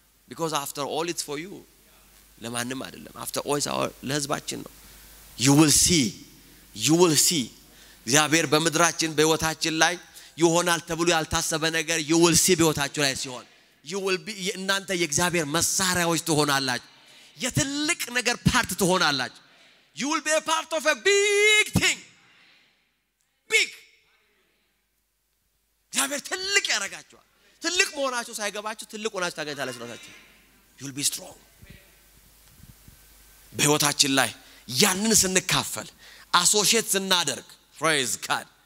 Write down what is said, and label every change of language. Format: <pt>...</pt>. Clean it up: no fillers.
<en>Because after all it's for you.</en> <am>ለማንም አይደለም.</am> <en>After all it's our</en> <am>ለህዝባችን ነው.</am> <en>You will see.</en> <am>እግዚአብሔር በመድራችን በህይወታችን ላይ ይሆናል ተብሎ ያልታሰበ ነገር</am> <en>you will see</en> <am>በህይወታችሁ ላይ ሲሆን.</am> <en>You will be</en> <am>እናንተ የእግዚአብሔር መሳሪያዎች ትሆናላችሁ. የትልቅ ነገር part ትሆናላችሁ.</am> <en>You will be a part of a big thing. Big.</en> <am>ያብር ትልቅ ያረጋቸዋል ትልቅ መሆናቸው ሳይገባቸው ትልቁ ናቸው ታገኛላችሁ ራሳችሁ</am> <en>you will be strong</en> <am>በህይወታችን ላይ ያንን سنካፈል አሶሺየት سنናደርግ</am> <en>praise God</en>